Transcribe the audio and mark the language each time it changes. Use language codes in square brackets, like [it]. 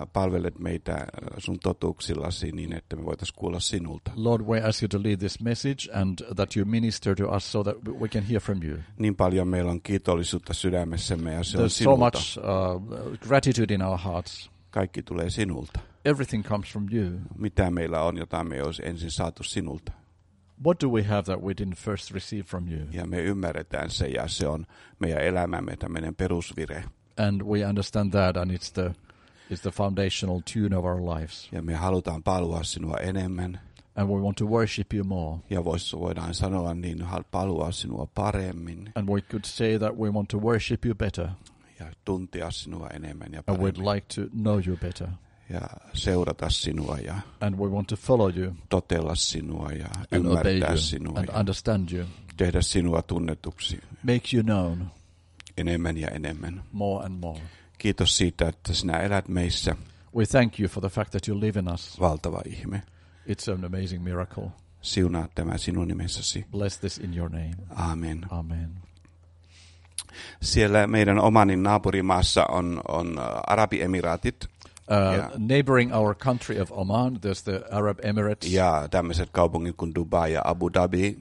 [fi] palvelet meitä sun totuuksillasi niin, että me voitaisiin kuulla sinulta. [en] Lord, we ask you to lead this message and that you minister to us so that we can hear from you. [fi] Niin paljon meillä on kiitollisuutta sydämessämme ja se [en] There's [fi] on sinulta. [en] So much gratitude in our hearts. [fi] Kaikki tulee sinulta. [en] Everything comes from you. [fi] Mitä meillä on, jota me ei olisi ensin saatu sinulta? [en] What do we have that we didn't first receive from you? [fi] Ja me ymmärretään se ja se on meidän elämämme tämmöinen perusvire. [en] And we understand that and it's the foundational tune of our lives. [fi] Ja me halutaan palua sinua enemmän. [en] And we want to worship you more. [fi] Ja voidaan sanoa niin palua sinua paremmin. [en] And we could say that we want to worship you better. [fi] Ja tuntea sinua enemmän ja paremmin. [en] And we'd like to know you better. [fi] Ja seurata sinua ja [en] and we want to follow you. [fi] Totella sinua ja ymmärtää sinua [en] and understand you. [fi] Tehdä sinua tunnetuksi. [en] Make you known. [fi] Enemmän ja enemmän. [en] More and more. [fi] Kiitos siitä, että sinä elät meissä. [en] We thank you for the fact that you live in us. [fi] Valtava ihme. [en] It's an amazing miracle. [fi] Siunaa tämä sinun nimessäsi. [en] Bless this in your name. [fi] Amen. [en] Amen. [fi] Siellä meidän omanin naapurimaassa on Arabiemiraatit. [en] Neighboring our country of Oman, there's the Arab Emirates. [fi] Ja tämmöiset kaupungit kuin Dubai ja Abu Dhabi.